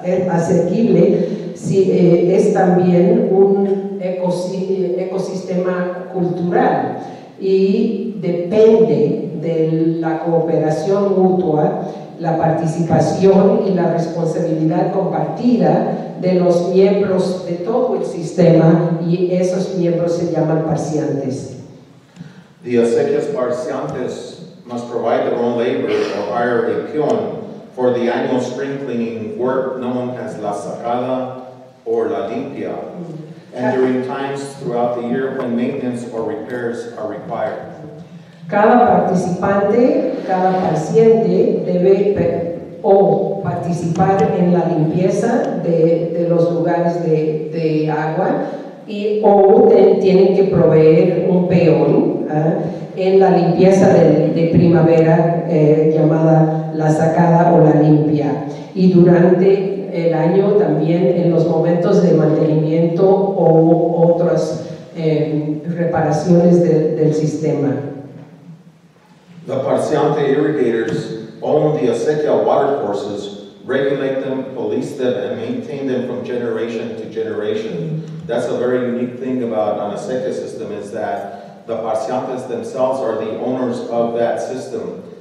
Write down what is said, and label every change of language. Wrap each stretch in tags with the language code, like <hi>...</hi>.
<es>asequible, es también un ecosistema cultural y depende de la cooperación mutua, la participación y la responsabilidad compartida de los miembros de todo el sistema, y esos miembros se llaman parciantes.</es> <en>The acequias parciantes must provide their own labor or hire a peon for the annual spring cleaning work known as la sacada or la limpia, and during times throughout the year when maintenance or repairs are required.</en> <es>Cada participante, cada paciente debe o participar en la limpieza de los lugares de agua y o tienen que proveer un peón en la limpieza de primavera llamada la sacada o la limpia. Y durante el año también en los momentos de mantenimiento o otras reparaciones del sistema.</es> <en>The Parciante irrigators own the acequia water courses, regulate them, police them, and maintain them from generation to generation. That's a very unique thing about an acequia system, is that the Parciantes themselves are the owners of that system.</en>